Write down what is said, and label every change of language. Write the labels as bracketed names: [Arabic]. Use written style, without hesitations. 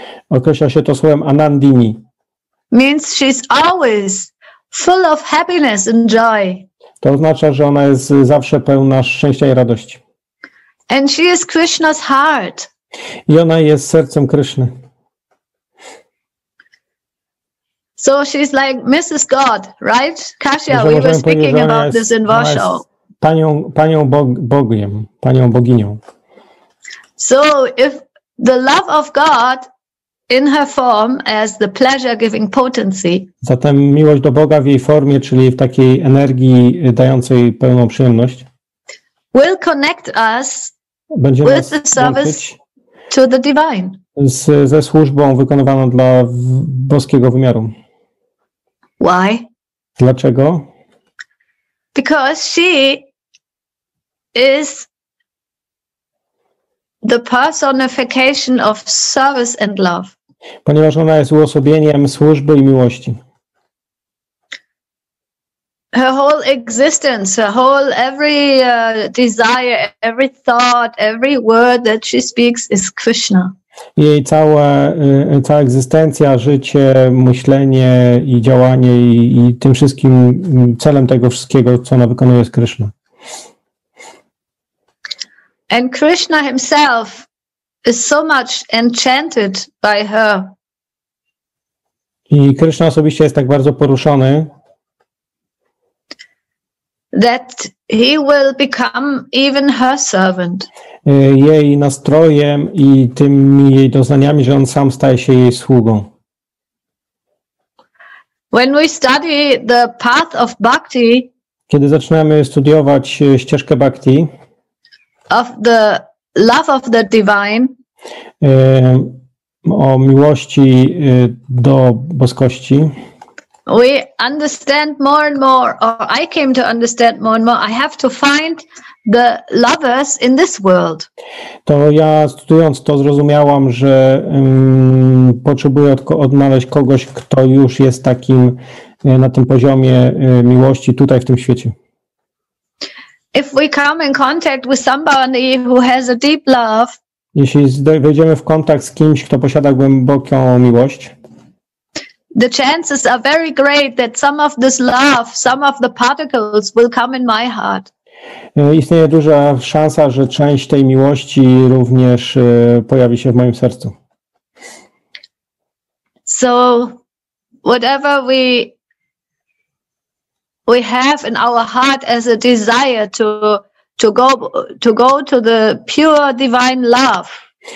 [Polish] Określa się to słowem Anandini. [English] Means she's always full of happiness and joy. [Polish] To oznacza, że ona jest zawsze pełna szczęścia i radości. [English] And she is Krishna's heart. [Polish] I ona jest sercem Kryszny. [English] So she's like Mrs. God, right? Kasia, we were speaking about this in Warsaw. [Polish] Panią boginią. [English] So if the love of God in her form as the pleasure-giving potency. [Polish] Zatem miłość do Boga w jej formie, czyli w takiej energii dającej pełną przyjemność. [English] Will connect us with the service to the divine. [Polish] Ze służbą wykonywaną dla boskiego wymiaru. [English] Why? [Polish] Dlaczego? [English] Because she is the personification of service and love. [Polish] Ponieważ ona jest uosobieniem służby i miłości. [English] Her whole existence, her whole every desire, every thought, every word that she speaks is Krishna. [Polish] Jej cała egzystencja, życie, myślenie i działanie i tym wszystkim celem tego wszystkiego, co ona wykonuje, jest Krishna. [English] And Krishna himself is so much enchanted by her. [Polish] I Krishna osobiście jest tak bardzo poruszony, [English] that he will become even her servant. [Polish] Jej nastrojem i tymi jej doznaniami, że on sam staje się jej sługą. [English] When we study the path of bhakti, [Polish] kiedy zaczynamy studiować ścieżkę bhakti, [English] of the love of the divine, [Polish] o miłości do boskości, [English] we understand more and more, or I came to understand more and more, I have to find the lovers in this world. [Polish] To ja studiując to zrozumiałam, że potrzebuję odnaleźć kogoś, kto już jest takim na tym poziomie miłości tutaj w tym świecie. [English] If we come in contact with somebody who has a deep love, [Polish] jeśli wejdziemy w kontakt z kimś, kto posiada głęboką miłość, [English] the chances are very great that some of this love, some of the particles will come in my heart. [Polish] Istnieje duża szansa, że część tej miłości również pojawi się w moim sercu. [English] So whatever we have in our heart as a desire to go to the pure divine love.